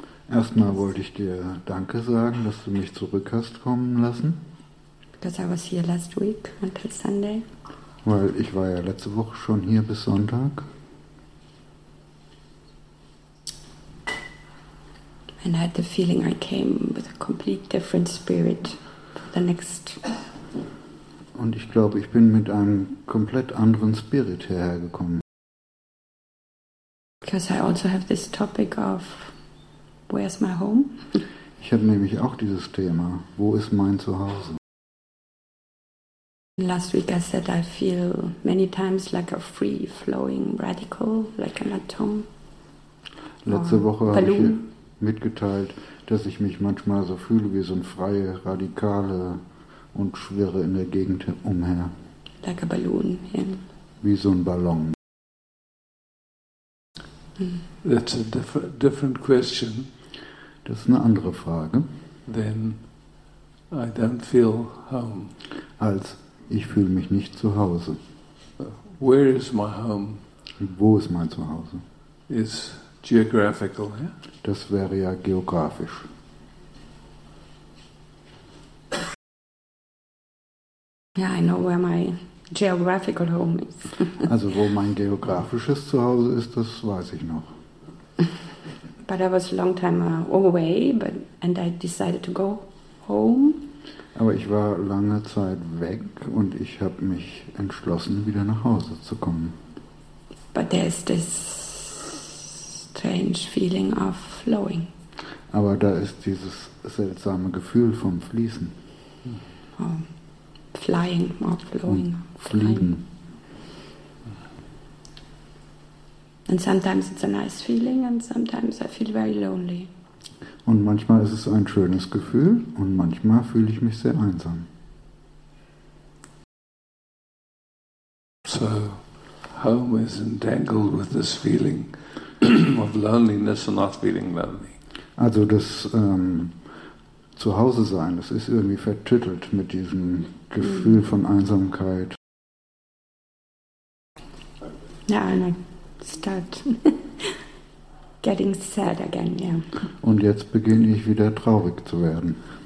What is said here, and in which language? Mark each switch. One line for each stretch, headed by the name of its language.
German: Erstmal wollte ich dir Danke sagen, dass du mich zurück hast kommen lassen.
English: Because I was here last week until Sunday.
German: Weil ich war ja letzte Woche schon hier bis Sonntag.
English: And I had the feeling I came with a complete different spirit for the next.
German: Und ich glaube, ich bin mit einem komplett anderen Spirit hergekommen.
English: Because I also have this topic of where's my home?
German: Ich habe nämlich auch dieses Thema, wo ist mein Zuhause?
English: Last week I said I feel many times like a free flowing radical, like an atom.
German: Letzte Woche habe ich mitgeteilt, dass ich mich manchmal so fühle wie so ein freie radikale und schwirre in der Gegend umher.
English: Like a balloon, yeah.
German: Wie so ein Ballon.
English: That's a different question.
German: Das ist eine andere Frage.
English: Then I don't feel home.
German: Als ich fühle mich nicht zu Hause.
English: Where is my home?
German: Wo ist mein Zuhause?
English: Is geographical, yeah?
German: Das wäre ja geografisch.
English: Yeah, I know where my geographical home is.
German: Also wo mein geografisches Zuhause ist, das weiß ich noch.
English: But I was a long time away, but and I decided to go home.
German: Aber ich war lange Zeit weg und ich habe mich entschlossen, wieder nach Hause zu kommen.
English: But there's this strange feeling of flowing.
German: Aber da ist dieses seltsame Gefühl vom Fließen.
English: Oh, flying or flowing.
German: Und fliegen.
English: And sometimes it's a nice feeling and sometimes I feel very lonely.
German: Und manchmal ist es ein schönes Gefühl und manchmal fühle ich mich sehr einsam.
English: So, home is entangled with this feeling of loneliness and not feeling lonely.
German: Also das Zuhause sein, das ist irgendwie vertüttelt mit diesem Gefühl von Einsamkeit.
English: Ja, yeah, I start getting sad again, yeah.
German: Und jetzt beginne ich wieder traurig zu werden.